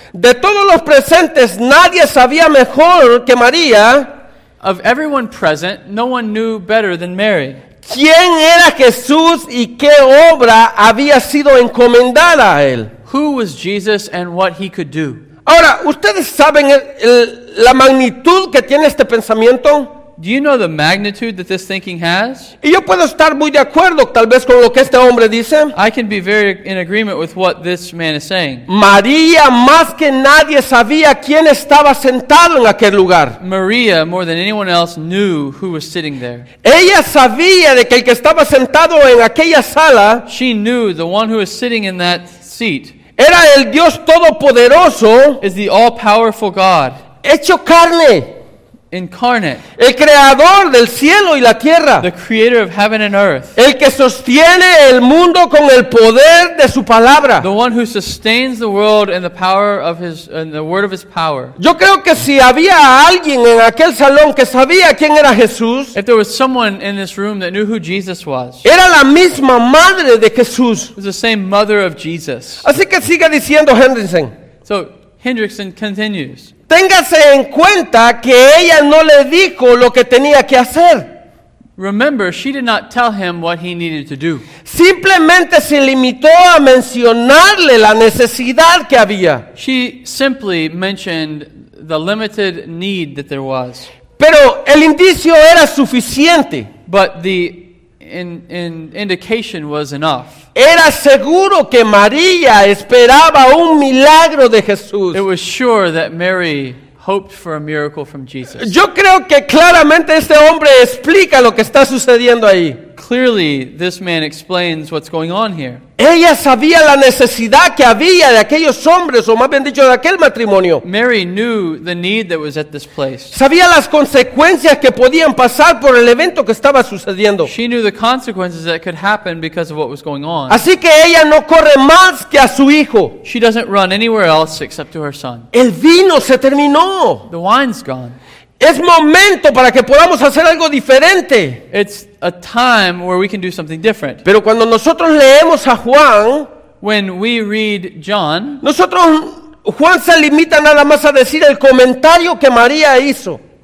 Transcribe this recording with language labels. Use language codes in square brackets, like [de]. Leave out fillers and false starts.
[es] De todos los presentes, nadie sabía mejor que María. [en] Of everyone present, no one knew better than Mary. [es] ¿Quién era Jesús y qué obra había sido encomendada a él? [en] Who was Jesus and what he could do? [es] Ahora, ¿ustedes saben la magnitud que tiene este pensamiento? [en] Do you know the magnitude that this thinking has? [es] Y yo puedo estar muy de acuerdo, tal vez, con lo que este hombre dice. [en] I can be very in agreement with what this man is saying. [es] María, más que nadie, sabía quién estaba sentado en aquel lugar. [en] Maria, more than anyone else, knew who was sitting there. [es] Ella sabía de que el que estaba sentado en aquella sala, [en] she knew the one who was sitting in that seat, [es] era el Dios Todopoderoso, [en] is the all-powerful God, [es] hecho carne, [en] incarnate, [es] el creador del cielo y la tierra, [en] the creator of heaven and earth, [es] el que sostiene el mundo con el poder de su palabra, [en] the one who sustains the world in the power of his, in the word of his power. [es] Yo creo que si había alguien en aquel salón que sabía quién era Jesús, [en] if there was someone in this room that knew who Jesus was, [es] era la misma madre de Jesús, [en] was the same mother of Jesus. [es] Así que sigue diciendo Hendrickson. [en] So Hendrickson continues. [es] Téngase en cuenta que ella no le dijo lo que tenía que hacer. [en] Remember, she did not tell him what he needed to do. [es] Simplemente se limitó a mencionarle la necesidad que había. [en] She simply mentioned the limited need that there was. [es] Pero el indicio era suficiente. [en] But the indication was enough. [es] Era seguro que María esperaba un milagro de Jesús. [en] It was sure that Mary hoped for a miracle from Jesus. [es] Yo creo que claramente este hombre explica lo que está sucediendo ahí. [en] Clearly, this man explains what's going on here. [es] Ella sabía la necesidad que había de aquellos hombres, o más bien dicho, de aquel matrimonio. [en] Mary knew the need that was at this place. [es] Sabía las consecuencias que podían pasar por el evento que estaba sucediendo. [en] She knew the consequences that could happen because of what was going on. [es] Así que ella no corre más que a su hijo. [en] She doesn't run anywhere else except to her son. [es] El vino se terminó. [en] The wine's gone. [es] Es momento para que podamos hacer algo diferente. [en] It's a time where we can do something different. [es] Pero cuando nosotros leemos a Juan, [en] when we read John, [es] nosotros Juan se limita nada más a decir el comentario que María hizo.